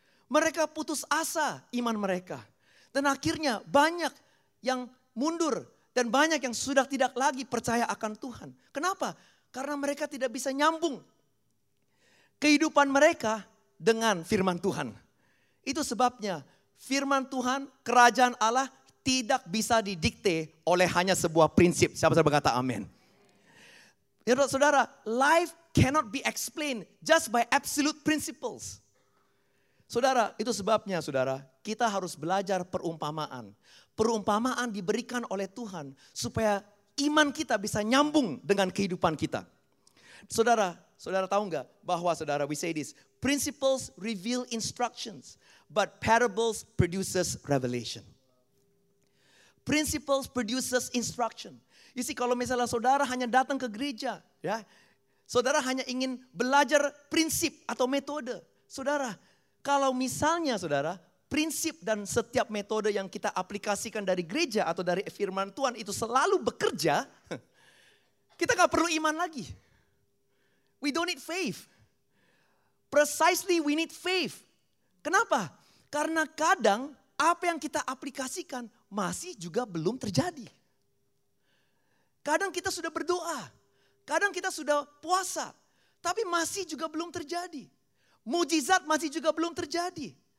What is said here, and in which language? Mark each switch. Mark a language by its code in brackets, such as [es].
[id] Mereka putus asa iman mereka. Dan akhirnya banyak yang mundur dan banyak yang sudah tidak lagi percaya akan Tuhan. Kenapa? Karena mereka tidak bisa nyambung kehidupan mereka dengan firman Tuhan. Itu sebabnya firman Tuhan, kerajaan Allah tidak bisa didikte oleh hanya sebuah prinsip. Siapa saja berkata amin. Ya, saudara, [en] life cannot be explained just by absolute principles. [id] Saudara, itu sebabnya saudara, kita harus belajar perumpamaan. Perumpamaan diberikan oleh Tuhan supaya iman kita bisa nyambung dengan kehidupan kita. Saudara, saudara tahu enggak bahwa saudara, [en] we say this, principles reveal instructions, but parables produces revelation. Principles produces instruction. You see, [id] kalau misalnya saudara hanya datang ke gereja, ya, saudara hanya ingin belajar prinsip atau metode. Saudara, kalau misalnya saudara, prinsip dan setiap metode yang kita aplikasikan dari gereja atau dari firman Tuhan itu selalu bekerja, kita gak perlu iman lagi. [en] We don't need faith. Precisely we need faith. [id] Kenapa? Karena kadang apa yang kita aplikasikan masih juga belum terjadi. Kadang kita sudah berdoa. Kadang kita sudah puasa. Tapi masih juga belum terjadi. Mujizat masih juga belum terjadi.